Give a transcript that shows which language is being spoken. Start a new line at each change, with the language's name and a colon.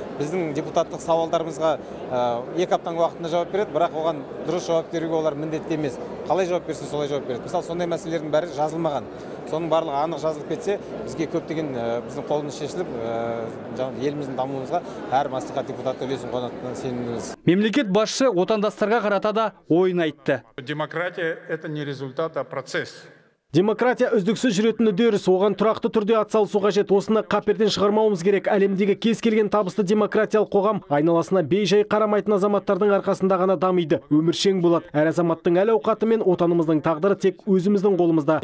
Kazakh: Біздің депутаттық сауалдарымызға екі аптаның уақытында жауап береді, бірақ оған дұрыс жауап беруге олар міндетті емес. Қалай жауап берсе, солай жауап береді. Мысалы, сондай мәселелердің бәрі жазылмаған. Соның барлығы анық жазылып кетсе, бізге көптеген біздің қолымыз шешіліп, еліміздің дамуымызға әр мәслихат депутаты үлесін қонатынын сеніміз. Мемлекет басшысы отандастарға қарата да ойын айтты.
Russian: Демократия – это не результат, а процесс.
Kazakh: Демократия үздіксіз жүретін үдеріс, оған тұрақты түрде атсалысу қажет. Осыны қаперден шығармауымыз керек. Әлемдегі кез келген табысты демократиялық қоғам айналасына бей-жай қарамайтын азаматтардың арқасында ғана дамиды. Өміршең болады. Әр азаматтың әл-ауқаты мен отанымыздың тағдыры тек өзіміздің қолымызда.